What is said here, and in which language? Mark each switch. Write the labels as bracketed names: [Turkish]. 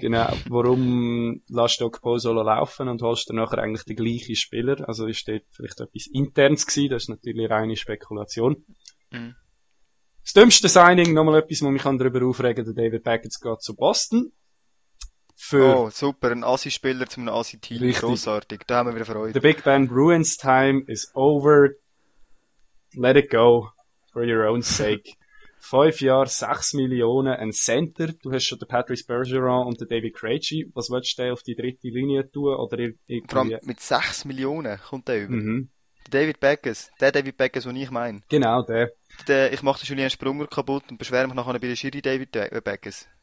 [German] Genau, warum lässt du Okposo laufen und holst dann nachher eigentlich den gleichen Spieler? Also ist dort vielleicht etwas Internes gewesen? Das ist natürlich reine Spekulation. Das dümmste Signing, nochmal etwas, wo mich darüber aufregen kann, der David Backes geht zu Boston. Super, ein Assi-Spieler zu einem Assi-Team, richtig. Grossartig, da haben wir wieder Freude. [English] The Big Ben Bruins time is over, let it go, for your own sake. [German] 5 Jahre, 6 Millionen, ein Center, du hast schon den Patrice Bergeron und den David Krejci, was willst du auf die dritte Linie tun? Oder vor allem mit 6 Millionen kommt der über. Der David Backes, den ich meine. Genau, der. Ich mache den Julien Sprunger kaputt und beschwere mich nachher bei der Schiri David Backes.